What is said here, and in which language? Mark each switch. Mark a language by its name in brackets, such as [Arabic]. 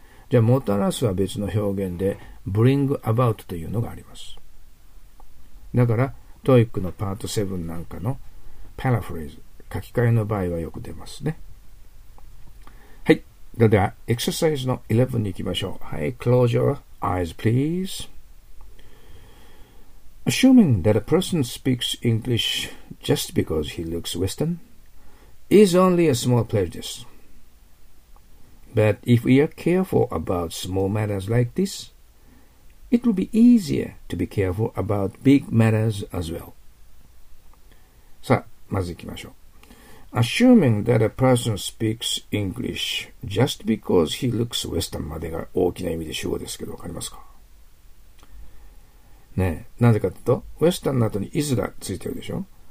[Japanese] じゃあ、もたらすは別の表現で、bring about というのがあります。だから、TOEIC のパート7なんかのパラフレーズ、書き換えの場合はよく出ますね。はい。それでは、エクササイズの11に行きましょう。 [English] はい。Close your eyes, please. Assuming that a person speaks English just because he looks Western is only a small prejudice. But if we are careful about small matters like this,It will be easier to be careful about big matters as well. [Japanese] さあ、まず行きましょう。 [English] Assuming that a person speaks English just because he looks Western [Japanese] までが大きな意味で主語ですけど、わかりますか？ねえ、なぜかというと、Western の後に is がついてるでしょ？